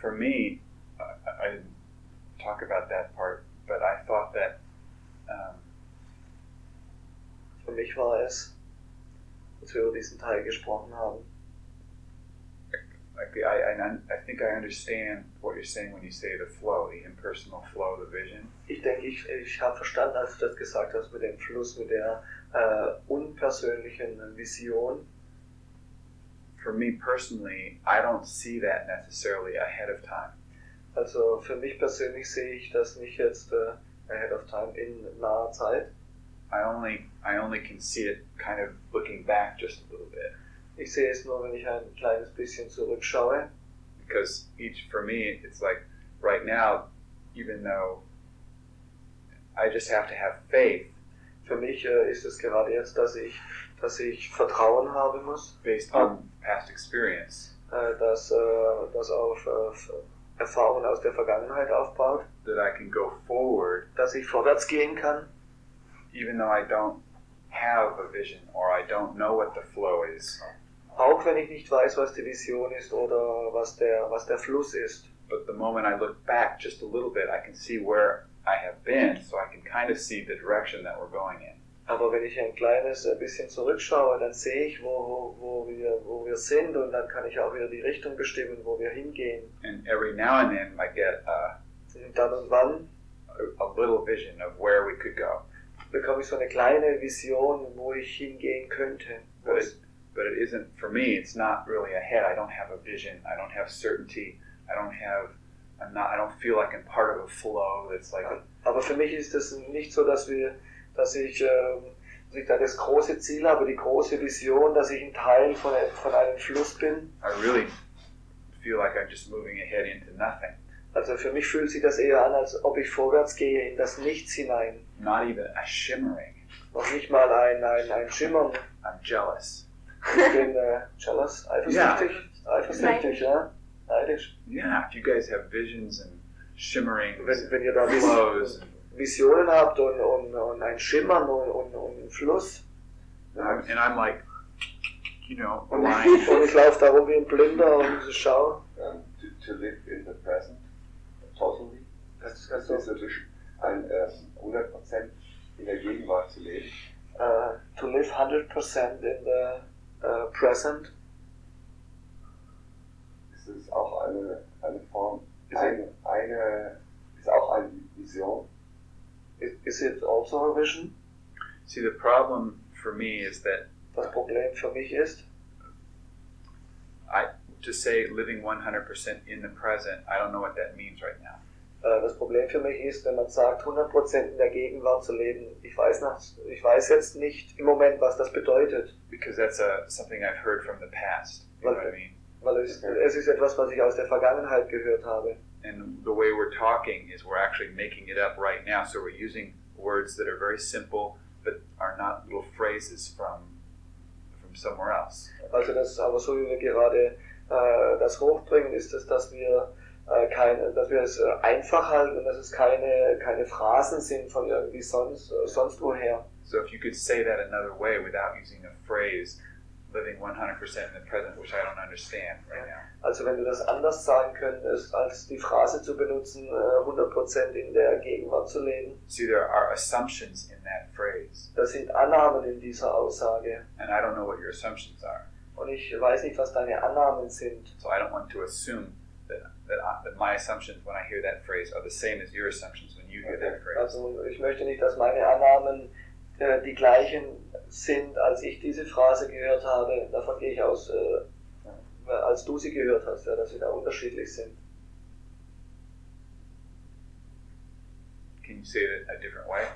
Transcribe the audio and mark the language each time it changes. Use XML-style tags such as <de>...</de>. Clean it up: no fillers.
<en>For me, I didn't talk about that part, but I thought that...</en> <de>Für mich war es, dass wir über diesen Teil gesprochen haben.</de> <en>Like I think I understand what you're saying when you say the flow, the impersonal flow, the vision.</en> <de>Ich denke, ich habe verstanden, als du das gesagt hast, mit dem Fluss, mit der unpersönlichen Vision.</de> <en>For me personally, I don't see that necessarily ahead of time.</en> <de>Also für mich persönlich sehe ich das nicht jetzt</de> <en>ahead of time,</en> <de>in naher Zeit.</de> <en>I only can see it kind of looking back just a little bit.</en> <de>Ich sehe es nur, wenn ich ein kleines bisschen zurückschaue.</de> <en>Because each for me, it's like right now, even though I just have to have faith.</en> <de>Für mich ist es gerade jetzt, dass ich Vertrauen haben muss.</de> <en>Based on past experience.</en> <de>Dass auf Erfahrungen aus der Vergangenheit aufbaut.</de> <en>That I can go forward.</en> <de>Dass ich vorwärts gehen kann.</de> <en>Even though I don't have a vision or I don't know what the flow is.</en> <de>auch wenn ich nicht weiß, was die Vision ist oder was der Fluss ist.</de> <en>But the moment I look back just a little bit, I can see where I have been, so I can kind of see the direction that we're going in.</en> <de>Aber wenn ich ein kleines bisschen zurückschaue, dann sehe ich, wo wir sind, und dann kann ich auch wieder die Richtung bestimmen, wo wir hingehen.</de> <en>And every now and then I get a little vision of where we could go.</en> <de>Bekomme ich so eine kleine Vision, wo ich hingehen könnte.</de> <en>But it isn't, for me, it's not really ahead. I don't have a vision. I don't have certainty. I don't feel like I'm part of a flow that's like...</en> <de>Aber für mich ist es nicht so, dass ich da das große Ziel habe, die große Vision, dass ich ein Teil von einem Fluss bin.</de> <en>I really feel like I'm just moving ahead into nothing.</en> <de>Also für mich fühlt sich das eher an, als ob ich vorwärts gehe in das Nichts hinein.</de> <en>Not even a shimmering.</en> <de>Noch nicht mal ein Schimmern.</de> <en>I'm jealous.</en> <de>Ich bin</de> <en>jealous,</en> <de>eifersüchtig. Yeah. Eifersüchtig, ja. Neidisch.</de> <en>Yeah, if you guys have visions and shimmering,</en> <de>wenn ihr da</de> <en>flows.</en> <de>Visionen habt und ein Schimmern und ein Fluss.</de> <en>And I'm like, you know, blind.</en> <de>Und ich laufe da rum wie ein Blinder und schau.</de> <en>To live in the present. Totally.</en> <de>Das ist so. Ein 100% in der Gegenwart zu leben.</de> <en>To live 100% in the present.</en> <de>Es ist auch eine Form, eine ist auch eine Vision.</de> <en>Is it also a vision? See, the problem for me is that...</en> <de>Das Problem für mich ist...</de> <en>To say living 100% in the present, I don't know what that means right now.</en> <de>Das Problem für mich ist, wenn man sagt, 100% in der Gegenwart zu leben, ich weiß jetzt nicht im Moment, was das bedeutet.</de> <en>Because that's something I've heard from the past, you know what I mean?</en> <de>Weil es ist etwas, was ich aus der Vergangenheit gehört habe.</de> <en>And the way we're talking is we're actually making it up right now, so we're using words that are very simple, but are not little phrases from somewhere else.</en> <de>Also das, aber so wie wir gerade das hochbringen, ist es, dass wir es einfach halten und dass es keine Phrasen sind von irgendwie sonst woher.</de> <en>So if you could say that another way without using a phrase, living 100% in the present, which I don't understand right now.</en> <de>Also wenn du das anders sagen könntest, als die Phrase zu benutzen, 100% in der Gegenwart zu leben.</de> <en>See, there are assumptions in that phrase.</en> <de>Das sind Annahmen in dieser Aussage.</de> <en>And I don't know what your assumptions are.</en> <de>Und ich weiß nicht, was deine Annahmen sind.</de> <en>So I don't want to assume that my assumptions when I hear that phrase are the same as your assumptions when you hear that phrase.</en> <de>Also ich möchte nicht, dass meine Annahmen die gleichen sind, als ich diese Phrase gehört habe. Davon gehe ich aus, als du sie gehört hast, ja, dass sie da unterschiedlich sind.</de> <en>Can you say it a different way?</en>